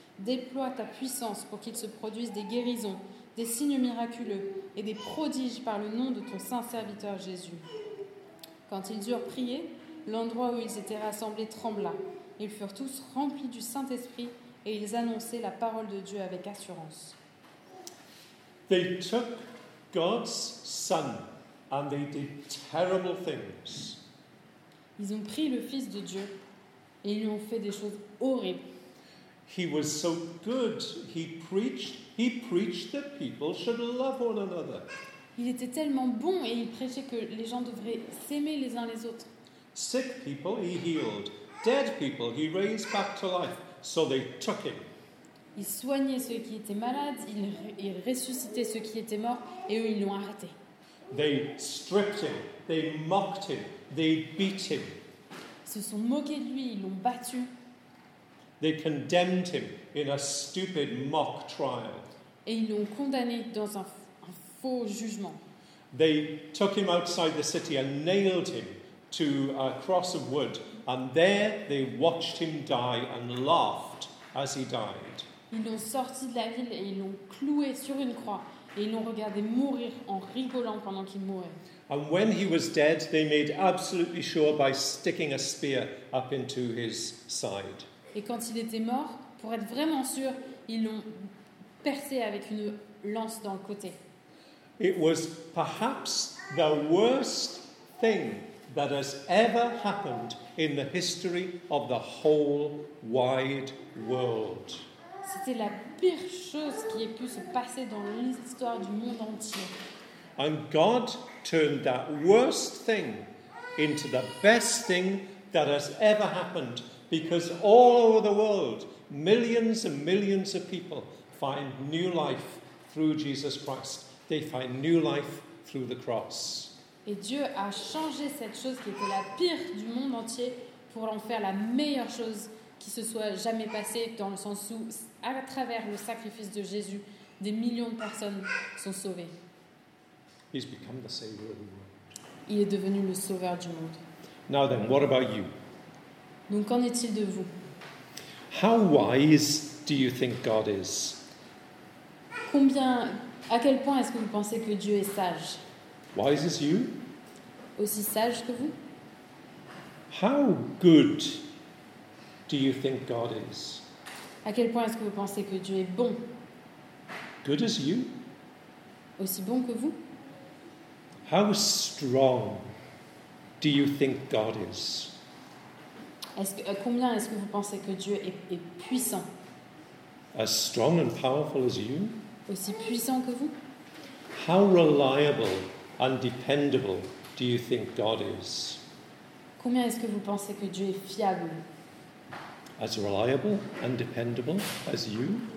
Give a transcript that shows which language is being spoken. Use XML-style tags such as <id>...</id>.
<fr>Déploie ta puissance pour qu'il se produise des guérisons, des signes miraculeux et des prodiges par le nom de ton saint serviteur Jésus. » Quand ils eurent prié, l'endroit où ils étaient rassemblés trembla. Ils furent tous remplis du Saint-Esprit et ils annonçaient la parole de Dieu avec assurance.</fr> <en>They took God's Son and they did terrible things.</en> <fr>Ils ont pris le Fils de Dieu et ils lui ont fait des choses horribles.</fr> <en>He was so good. He preached that people should love one another.</en> <fr>Il était tellement bon et il prêchait que les gens devraient s'aimer les uns les autres.</fr> <en>Sick people he healed. Dead people he raised back to life. So they took him.</en> <fr>Il soignait ceux qui étaient malades, il ressuscitait ceux qui étaient morts et eux ils l'ont arrêté.</fr> <en>They stripped him. They mocked him. They beat him.</en> <fr>Ils se sont moqués de lui, ils l'ont battu.</fr> <en>They condemned him in a stupid mock trial.</en> <fr>Et ils l'ont condamné dans un faux jugement.</fr> <en>They took him outside the city and nailed him to a cross of wood, and there they watched him die and laughed as he died.</en> <fr>Ils l'ont sorti de la ville et ils l'ont cloué sur une croix et ils l'ont regardé mourir en rigolant pendant qu'il mourait.</fr> <en>And when he was dead, they made absolutely sure by sticking a spear up into his side.</en> <fr>Et quand il était mort, pour être vraiment sûr, ils l'ont percé avec une lance dans le côté.</fr> <en>It was perhaps the worst thing that has ever happened in the history of the whole wide world.</en> <fr>C'était la pire chose qui ait pu se passer dans l'histoire du monde entier.</fr> <en>And God turned that worst thing into the best thing that has ever happened, because all over the world, millions and millions of people find new life through Jesus Christ. They find new life through the cross.</en> <fr>Et Dieu a changé cette chose qui était la pire du monde entier pour en faire la meilleure chose qui se soit jamais passée, dans le sens où, à travers le sacrifice de Jésus, des millions de personnes sont sauvées.</fr> <en>He's become the savior of the world.</en> <fr>Il est devenu le sauveur du monde.</fr> <en>Now then, what about you?</en> <fr>Donc, qu'en est-il de vous?</fr> <en>How wise do you think God is?</en> <fr>Combien, à quel point est-ce que vous pensez que Dieu est sage?</fr> <en>Wise as you?</en> <fr>Aussi sage que vous?</fr> <en>How good do you think God is?</en> <fr>À quel point est-ce que vous pensez que Dieu est bon?</fr> <en>Good as you?</en> <fr>Aussi bon que vous?</fr> <en>How strong do you think God is?</en> <fr>Combien est-ce que vous pensez que Dieu est puissant?</fr> <en>As strong and powerful as you?</en> <fr>Aussi puissant que vous?</fr> <en>How reliable and dependable do you think God is?</en> <fr>Combien est-ce que vous pensez que Dieu est fiable?</fr> <en>As reliable and dependable as you?</en>